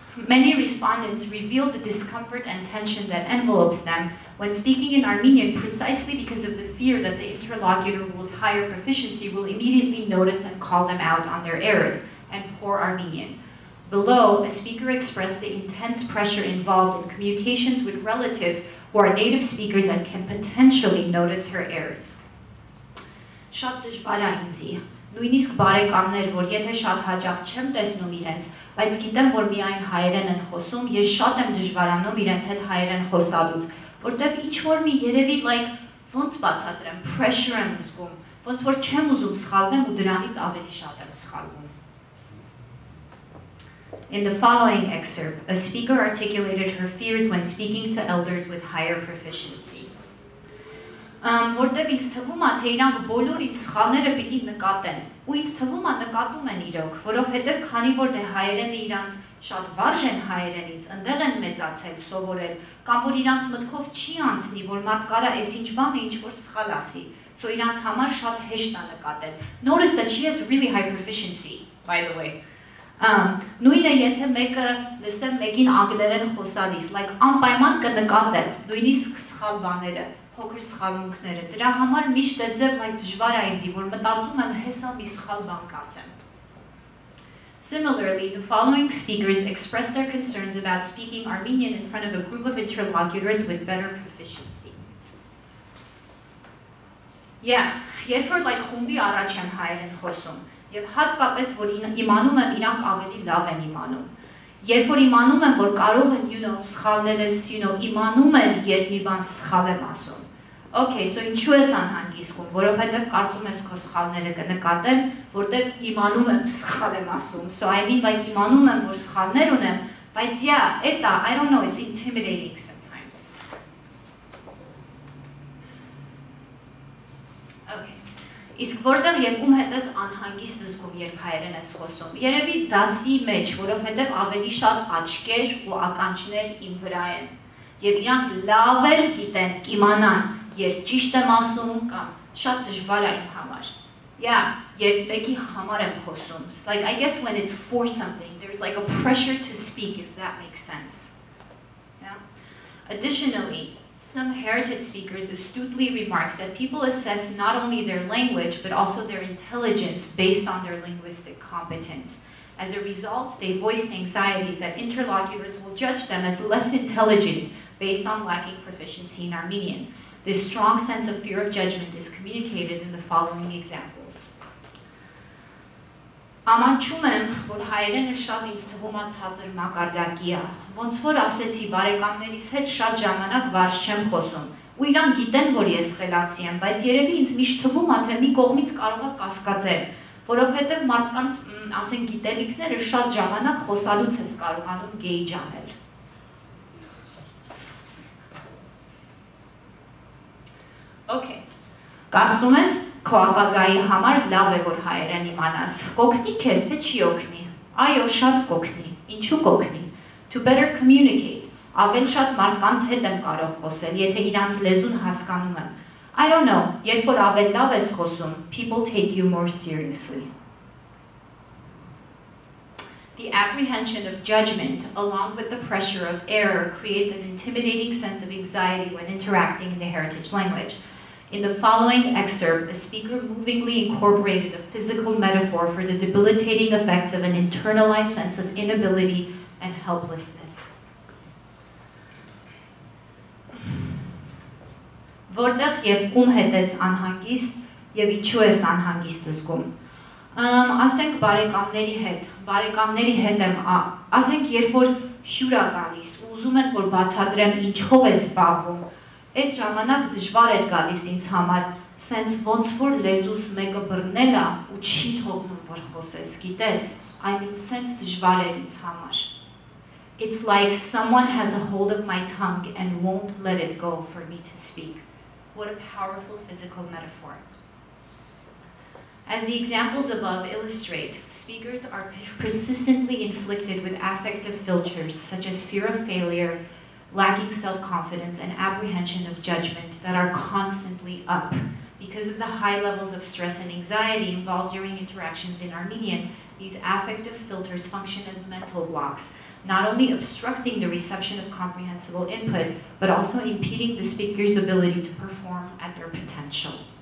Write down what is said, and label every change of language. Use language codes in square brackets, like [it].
[en] Many respondents revealed the discomfort and tension that envelops them when speaking in Armenian precisely because of the fear that the interlocutor with higher proficiency will immediately notice and call them out on their errors and poor Armenian. Below, a speaker expressed the intense pressure involved in communications with relatives who are native speakers and can potentially notice her errors. [hy] Շատ դժվար է ինձ, նույնիսկ բարեկամներ, որ եթե շատ հաճախ չեմ տեսնում իրենց, բայց գիտեմ, որ միայն հայերեն են խոսում, ես շատ եմ դժվարանում իրենց հետ հայերեն խոսալուց, որտեղ ինչ որ մի երևի like ոնց բացատրեմ, pressure եմ զգում, ոնց որ չեմ ուզում սխալվեմ ու դրանից ավելի շատ եմ սխալվում։ [en] In the following excerpt, a speaker articulated her fears when speaking to elders with higher proficiency. [hy] Որտեւ ինձ թվում է, թե իրանք բոլոր իմ սխալները պիտի նկատեն, ու ինձ թվում է նկատում են իրոք, որովհետև քանի որ դե հայերենը իրանք շատ վարժ են հայերենից, ընդեղ են մեծացել, սովորել, կամ որ իրանք մտքով չի անցնի, որ մարդ կարա այսինչ բան ինչ որ սխալ ասի, սո իրանք համար շատ հեշտ է նկատել. [en] Notice that she has really high proficiency, by the way. [hy] Նույնը եթե մեկը լսեմ մեկին անգլերեն խոսալիս, like անպայման կնկատեմ, նույնիսկ սխալ բաները, փոքր սխալմունքները, դրա համար միշտ է ձեր այն դժվար է ինձ, որ մտածում եմ հեսա մի սխալ բան կասեմ։ [en] Similarly, the following speakers expressed their concerns about speaking Armenian in front of a group of interlocutors with better proficiency. [hy] Yeah, երբ որ like խումբի առաջ եմ հայերեն խոսում, Եվ հատկապես որ իմանում եմ իրանք ավելի լավ են իմանում։ Երբ որ իմանում եմ, որ կարող են, you know, սխալել են, you know, իմանում են, երբ մի բան սխալ եմ ասում։ Okay, so ինչու ես անհանգիստ ու, որովհետև կարծում ես քո սխալները կնկատեն, որտեվ իմանում եմ սխալ եմ ասում։ [en] So I mean like [hy] իմանում եմ, որ սխալներ ունեմ, բայց yeah, это, [en] I don't know, it's intimidating sometimes. [hy] Okay. Իսկ որտեղ եւ ում հետ ես անհանգիստ զգում, երբ հայերեն ես խոսում։ Երևի դասի մեջ, որովհետեւ ավելի շատ աչքեր ու ականջներ իմ վրա են։ Եվ իրանք լավ էլ գիտեն, կիմանան, երբ ճիշտ եմ ասում կամ շատ դժվար է իմ համար։ Yeah, երբ մեկի համար եմ խոսում։ [en] Like I guess when it's for something, there's like a pressure to speak, if that makes sense. Additionally, some heritage speakers astutely remark that people assess not only their language, but also their intelligence based on their linguistic competence. As a result, they voiced anxieties that interlocutors will judge them as less intelligent based on lacking proficiency in Armenian. This strong sense of fear of judgment is communicated in the following examples. [hy] Ամաչում եմ, որ հայերենը շատ ինձ թվում է ցածր մակարդակի է։ Ոնց որ ասեցի բարեկամներից հետ շատ ժամանակ վարժ չեմ խոսում։ Ու իրանք գիտեն, որ ես խելացի եմ, բայց երևի ինձ միշտ թվում է, թե մի կողմից կարող է կասկածել, որովհետև մարդկանց, ասենք, գիտելիքները շատ ժամանակ խոսալուց ես կարողանում գեյջ անել։ Okay. Կարծում ես Քոապագայի համար լավ է, որ հայերեն իմանաս։ Կոգնի քեզ, թե չի օգնի։ Այո, շատ կոգնի։ Ինչու կոգնի։ [en] To better communicate, [hy] ավել շատ մարդկանց հետ եմ կարող խոսել, եթե իրանց լեզուն հասկանում եմ։ [en] I don't know, [hy] երբ որ ավել լավ ես խոսում, [en] people take you more seriously. The apprehension of judgment, along with the pressure of error, creates an intimidating sense of anxiety when interacting in the heritage language. In the following excerpt, a speaker movingly incorporated a physical metaphor for the debilitating effects of an internalized sense of inability and helplessness. [hy] Որտեղ եւ ում հետ ես անհանգիստ եւ ինչու ես անհանգիստ զգում։ Ասենք բարեկամների հետ, եմ, ասենք երբ որ հյուր է գալիս ու ուզում են որ բացատրեմ ինչով ես զբաղվում, այդ ժամանակ դժվար էր գալիս ինձ համար, սենց ոնց որ լեզուս մեկը բռնել է ու չի թողնում որ խոսես, գիտես, այնին սենց դժվար էր ինձ համար։ [en] It's like someone has a hold of my tongue and won't let it go for me to speak. What a powerful physical metaphor. As the examples above illustrate, speakers are persistently inflicted with affective filters such as fear of failure, lacking self-confidence, and apprehension of judgment that are constantly up. Because of the high levels of stress and anxiety involved during interactions in Armenian, these affective filters function as mental blocks, not only obstructing the reception of comprehensible input, but also impeding the speaker's ability to perform at their potential.